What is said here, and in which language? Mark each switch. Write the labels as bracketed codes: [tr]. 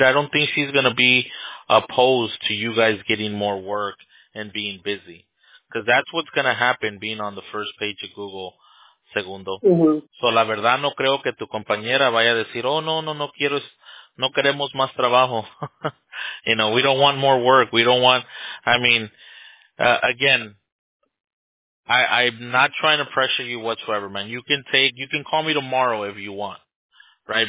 [en] I don't think she's going to be opposed to you guys getting more work and being busy. Because that's what's going to happen being on the first page of Google, segundo. Mm-hmm. [es] So la verdad no creo que tu compañera vaya a decir, oh, no quiero, no queremos más trabajo. [en] You know, we don't want more work. We don't want, I mean, again, I'm not trying to pressure you whatsoever, man. You can take, you can call me tomorrow if you want, right?